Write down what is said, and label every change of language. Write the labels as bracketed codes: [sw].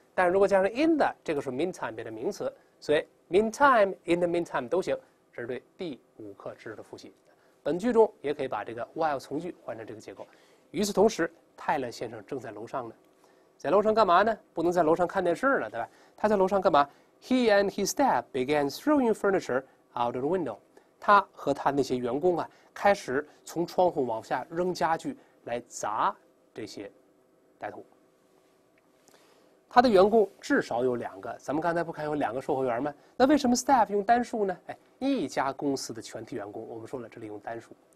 [zh] 但如果加上 in the， 这个是 meantime 变成名词，所以 meantime in the meantime 都行，这是对第五课知识的复习。本句中也可以把这个 while 从句换成这个结构。与此同时，泰勒先生正在楼上呢，在楼上干嘛呢？不能在楼上看电视了，对吧？他在楼上干嘛 [en] ？He and his staff began throwing furniture out of the window。 [zh] 他和他那些员工啊，开始从窗户往下扔家具来砸这些歹徒。他的员工至少有两个，咱们刚才不看有两个售货员吗？那为什么 staff 用单数呢？哎，一家公司的全体员工，我们说了这里用单数。